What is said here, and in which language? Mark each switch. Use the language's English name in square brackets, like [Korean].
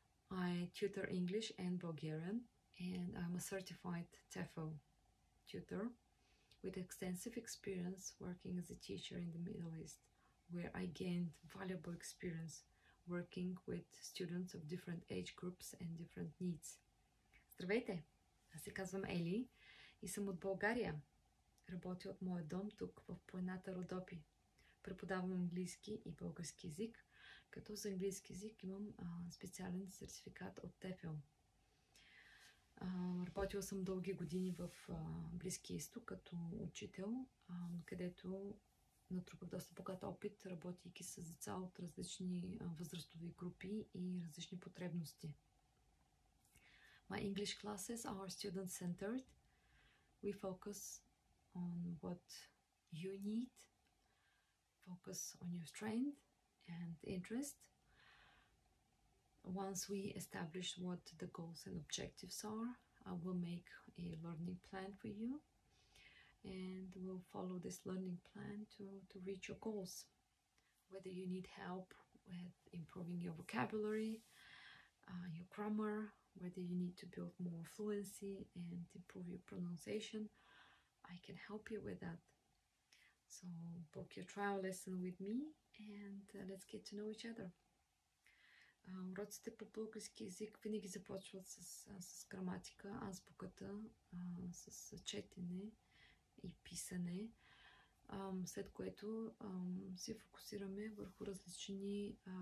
[English] I tutor English and Bulgarian, and I'm a certified TEFL tutor with extensive experience working as a teacher in the Middle East, where I gained valuable experience working with students of different age groups and different needs. [Bulgarian] Здравейте! Аз се казвам Ели и съм от България. Работя от моя дом тук в планината Родопи. Преподавам английски и български език, като за английски език имам специален сертификат от TEFL. Работила съм дълги години в Близкия изток като учител, където натрупах доста богат опит, работейки с деца от различни възрастови групи и различни потребности. [English] My English classes are student-centered. We focus on what you need, focus on your strength and interest. Once we establish what the goals and objectives are, I will make a learning plan for you and we'll follow this learning plan to reach your goals. Whether you need help with improving your vocabulary, your grammar, whether you need to build more fluency and improve your pronunciation, I can help you with that. So book your trial lesson with me and let's get to know each other. [Bulgarian] Уроците по български език винаги започват с граматика, азбуката, с четене и писане, след което се фокусираме върху различни